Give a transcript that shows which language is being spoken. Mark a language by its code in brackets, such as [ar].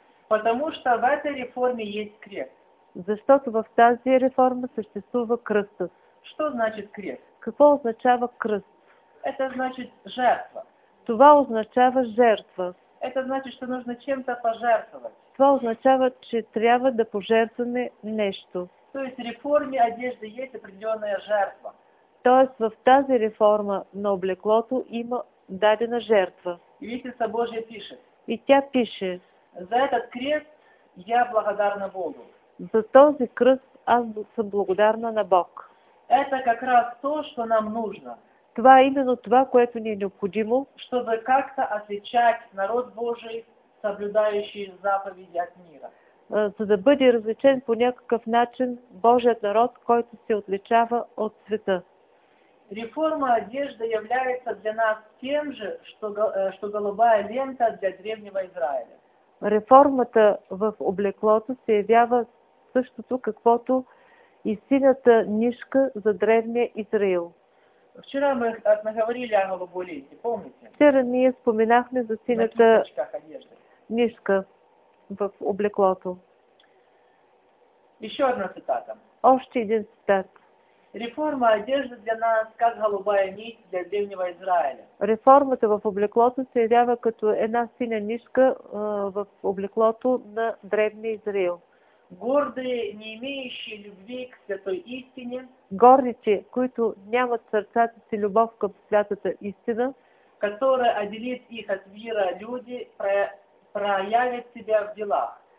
[ru] Потому что в этой реформе есть крест. [bg] Защото в тази реформа съществува кръстът. [ru] Что значит крест? [bg] Какво означава кръст? [ru] Это значит жертва. [bg] Това означава жертва. [ru] Это значит, что нужно чем-то пожертвовать. [bg] Това означава, че трябва да пожертваме нещо. [ru] То есть в реформе одежды есть определенная жертва. [bg] Тоест в тази реформа на облеклото има дадена жертва. [ru] И Вестница Божия пишет. [bg] И тя пише. [ru] За этот крест Я благодарна Богу. [bg] За този кръст аз съм благодарна на Бог. [ru] Это как раз то, что нам нужно. [bg] Това е именно това, което ни е необходимо. [ru] Чтобы как-то отличать народ Божий, соблюдающий заповеди от мира. [bg] За да бъде различен по някакъв начин Божият народ, който се отличава от света. [ru] Реформа одежды является для нас тем же, что голубая лента для древнего Израиля. [bg] Реформата в облеклото се явява същото, каквото и синята нишка за древния Израил. [ru] Вчера мы наговорили о голубой ленте, помните? [bg] Вчера ние споменахме за синята нишка в облеклото. [ru] Еще одна цитата. [bg] Още един цитат. [ru] Реформа одежды для нас как голубая нить для древнего Израиля. [bg] Реформата в облеклото се явява като една синя нишка в облеклото на древния Израил. [ru] Гордые, не имеющие любви к святой истине. [bg] Гордите, които нямат сърцата си любов към святата истина, [ru] которая отделит их от мира люди, проявят себя в делах.